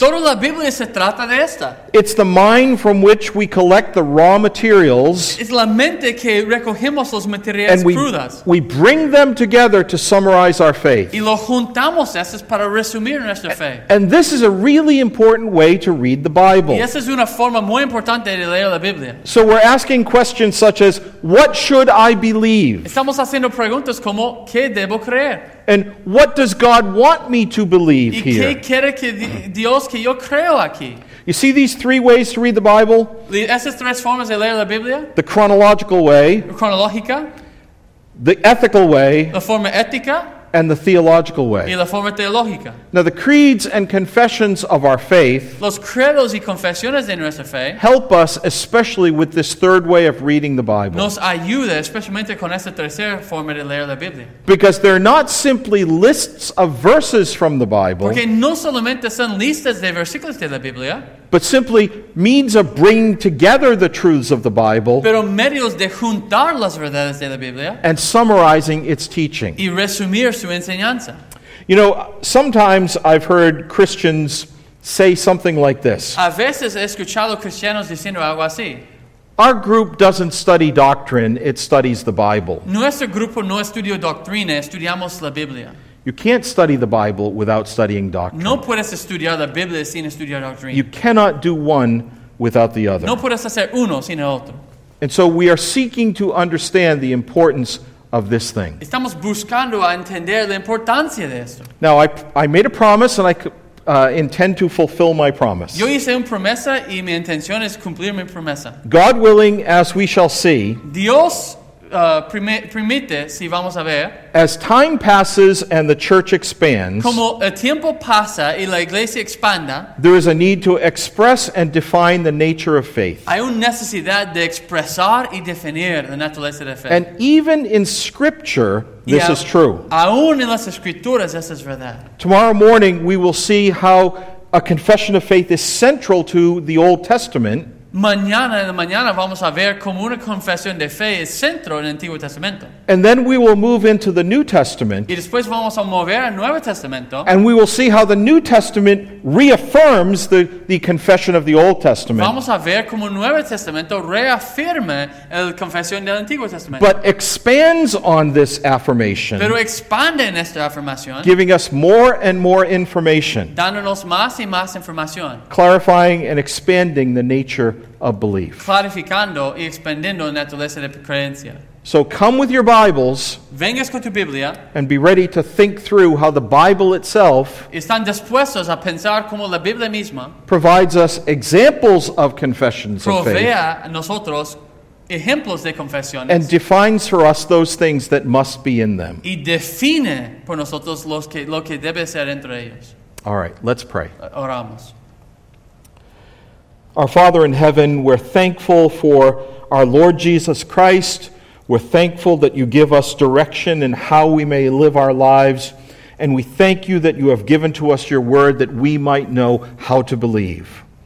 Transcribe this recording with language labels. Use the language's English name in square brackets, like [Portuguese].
[Spanish] Toda la Biblia se trata de esta. [English] It's the mind from which we collect the raw materials. [Spanish] Es la mente que recogemos los materiales [English] and [Spanish] crudas. [English] We bring them together to summarize our faith. [Spanish] Y lo juntamos esas para resumir nuestra fe. [English] And this is a really important way to read the Bible. [Spanish] Y esa es una forma muy importante de leer la Biblia. [English] So we're asking questions such as, what should I believe? [Spanish] Estamos haciendo preguntas como, ¿qué debo creer? [English] And what does God want me to believe here? [Spanish] ¿Y qué quiere que Dios que yo creo aquí? [English] You see these three ways to read the Bible? [Spanish] Esas tres formas de leer la Biblia? [English] The chronological way. [Spanish] Cronológica. [English] The ethical way. [Spanish] La forma ética. [English] And the theological way. [Spanish] Y la forma teológica. [English] Now the creeds and confessions of our faith. [Spanish] Los credos y confesiones de nuestra fe. [English] Help us especially with this third way of reading the Bible. [Spanish] Nos ayuda especialmente con esta tercera forma de leer la Biblia. [English] Because they're not simply lists of verses from the Bible. [Spanish] Porque no solamente son listas de versículos de la Biblia. [English] But simply means of bringing together the truths of the Bible. [Spanish] Pero medios de juntar las verdades de la Biblia. [English] And summarizing its teaching. [Spanish] Y resumir su enseñanza. [English] You know, sometimes I've heard Christians say something like this. [Spanish] A veces he escuchado cristianos diciendo algo así. [English] Our group doesn't study doctrine, it studies the Bible. [Spanish] Nuestro grupo no estudia doctrina, estudiamos la Biblia. [English] You can't study the Bible without studying doctrine. [Spanish] No puedes estudiar la Biblia sin estudiar doctrina. [English] You cannot do one without the other. [Spanish] No puedes hacer uno sin el otro. [English] And so we are seeking to understand the importance of this thing. [Spanish] Estamos buscando a entender la importancia de esto. [English] Now, I made a promise and I intend to fulfill my promise. [Spanish] Yo hice una promesa y mi intención es cumplir mi promesa. [English] God willing, as we shall see. [Spanish] Dios permite, si vamos a ver, [English] as time passes and the church expands, [Spanish] como el tiempo pasa y la iglesia expanda, [English] there is a need to express and define the nature of faith. [Spanish] Hay una necesidad de expresar y definir la naturaleza de fe. [English] And even in Scripture, this is true. [Spanish] Aún en las escrituras, eso es verdad. [English] Tomorrow morning, we will see how a confession of faith is central to the Old Testament. [Spanish] Mañana en la mañana vamos a ver cómo una confesión de fe es centro en el Antiguo Testamento. [English] And then we will move into the New Testament. [Spanish] Y después vamos a mover al Nuevo Testamento. [English] And we will see how the New Testament reaffirms the confession of the Old Testament. [Spanish] Vamos a ver cómo el Nuevo Testamento reafirma la confesión del Antiguo Testamento. [English] But expands on this affirmation. [Spanish] Pero expande en esta afirmación. [English] Giving us more and more information. [Spanish] Dándonos más y más información. [English] Clarifying and expanding the nature of belief. [Spanish] Clarificando y expandiendo la naturaleza de creencia. [English] So come with your Bibles. [Spanish] Vengas con tu Biblia. [English] And be ready to think through how the Bible itself. [Spanish] Están dispuestos a pensar como la Biblia misma. [English] Provides us examples of confessions of faith. [Spanish] Provea a nosotros ejemplos de confesiones. [English] And defines for us those things that must be in them. [Spanish] Y define por nosotros lo que debe ser entre ellos. [English] All right, let's pray. [Spanish] Oramos. [English] Our Father in heaven, we're thankful for our Lord Jesus Christ. We're thankful that you give us direction in how we may live our lives. And we thank you that you have given to us your word that we might know how to believe.